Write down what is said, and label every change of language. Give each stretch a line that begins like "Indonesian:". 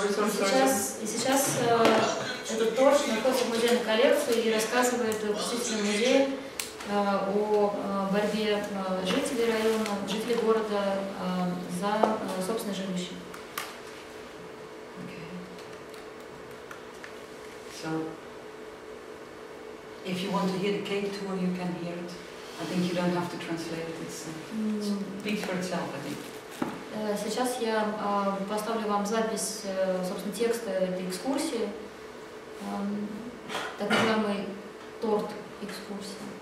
Russian: И сейчас этот торт находится в музейной коллекции и рассказывает посетителям музея о борьбе жителей района, жителей города за собственное жилище.
English: So, if you want to hear the cake tour, you can hear it. I think you don't have to translate it. It's speaks for itself, I think.
Russian: Сейчас я поставлю вам запись, собственно, текста этой экскурсии, так называемый торт экскурсии.